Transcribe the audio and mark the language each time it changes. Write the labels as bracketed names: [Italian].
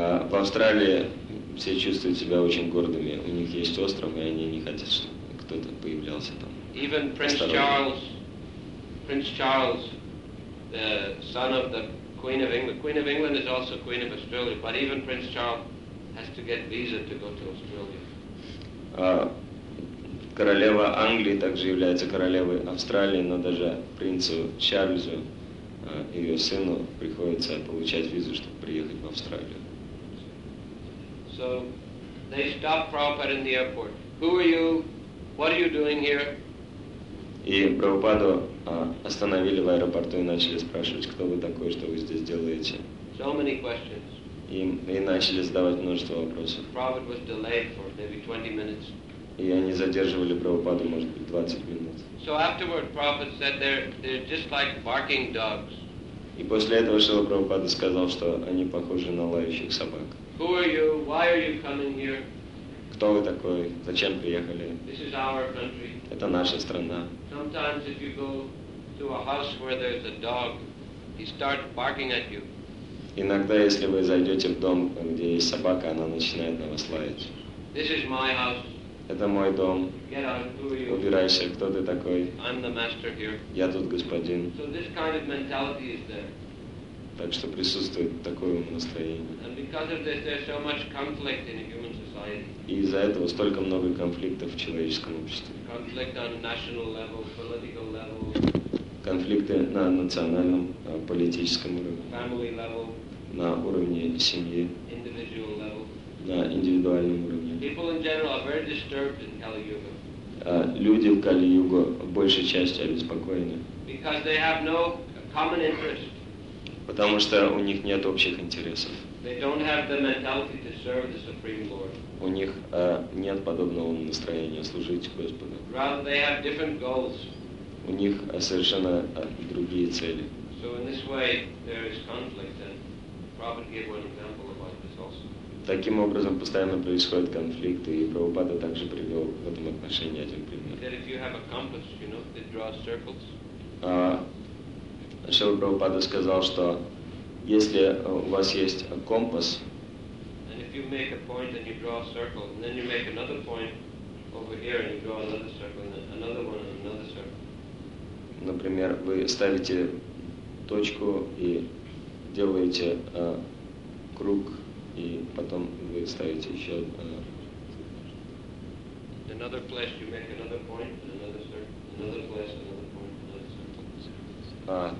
[Russian] В Австралии все чувствуют себя очень гордыми. У них есть остров, и они не хотят, чтобы кто-то появлялся там. [English] Even Prince Charles, the son of the Queen of England. Queen of England is also Queen of Australia, but even Prince Charles has to get visa to go to Australia. [Russian] Королева Англии также является королевой Австралии, но даже принцу Чарльзу, ее сыну, приходится получать визу, чтобы приехать в Австралию. [English] So they stopped Prabhupada in the airport. Who are you? What are you doing here? [Russian] И Прабхупаду остановили в аэропорту и начали спрашивать, кто вы такой, что вы здесь делаете. [English] So many questions. [Russian] И начали задавать множество вопросов. [English] Prabhupada was delayed for maybe 20 minutes. [Russian] И они задерживали Прабхупаду, может быть, 20 минут. [English] So afterward, Prabhupada said they're just like barking dogs. [Russian] И после этого Шрила Прабхупада сказал, что они похожи на лающих собак. [English] Who are you? Why are you coming here? [Russian] кто вы такой, зачем приехали. [English] This is our country. [Russian] Это наша страна. [English] Sometimes if you go to a house where there's a dog, he starts barking at you. [Russian] Иногда, если вы зайдете в дом, где есть собака, она начинает на вас лаять. [English] This is my house. [Russian] Это мой дом. [English] Get out, who are you? [Russian] Убирайся, кто ты такой? [English] I'm the master here. [Russian] Я тут господин. [English] So this kind of mentality is there. [Russian] Так что присутствует такое настроение. [English] And because of this, there's so much conflict in human society. [Russian] И из-за этого столько много конфликтов в человеческом обществе. [English] Conflict on national level, political level. [Russian] Конфликты на национальном, политическом уровне, [English] family level, [Russian] на уровне семьи, [English] individual level, [Russian] на индивидуальном уровне. [English] People in general are very disturbed in Kali-Yuga. [Russian] Люди в Кали-Юге большей части обеспокоены. [English] Because they have no common interest. [Russian] Потому что у них нет общих интересов. [English] They don't have the mentality to serve the Supreme Lord. [Russian] У них нет подобного настроения служить Господу. [English] Rather, they have different goals. [Russian] У них совершенно другие цели. [English] So in this way, there is conflict, and Prabhupada gave one example about this also. [Russian] Таким образом, постоянно происходит конфликт, и Прабхупада также привел в этом отношении один пример. [English] That if you have a compass, you know, it draws circles. [Russian] Шрила Прабхупада сказал, что если у вас есть компас, [English] and if you make a point and you draw a circle, and then you make another point over here and you draw another circle, and another one and another circle. [Russian] Например, вы ставите точку и делаете круг, и потом вы ставите еще [English] another place, you make another point, another circle, another place, another point, another circle.